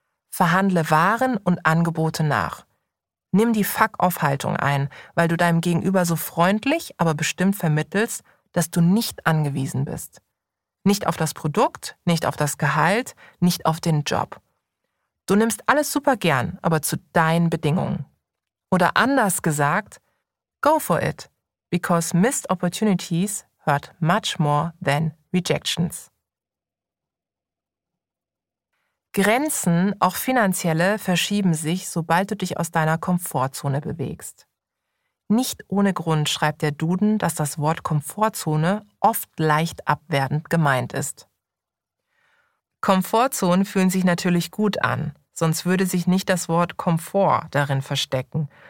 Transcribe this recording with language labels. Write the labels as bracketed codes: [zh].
[de] Verhandle Waren und Angebote nach. Nimm die Fuck-off-Haltung ein, weil du deinem Gegenüber so freundlich, aber bestimmt vermittelst, dass du nicht angewiesen bist. Nicht auf das Produkt, nicht auf das Gehalt, nicht auf den Job. Du nimmst alles super gern, aber zu deinen Bedingungen. Oder anders gesagt, [en] go for it, because missed opportunities hurt much more than rejections. [de] Grenzen, auch finanzielle, verschieben sich, sobald du dich aus deiner Komfortzone bewegst. Nicht ohne Grund schreibt der Duden, dass das Wort Komfortzone oft leicht abwertend gemeint ist. Komfortzonen fühlen sich natürlich gut an, sonst würde sich nicht das Wort Komfort darin verstecken.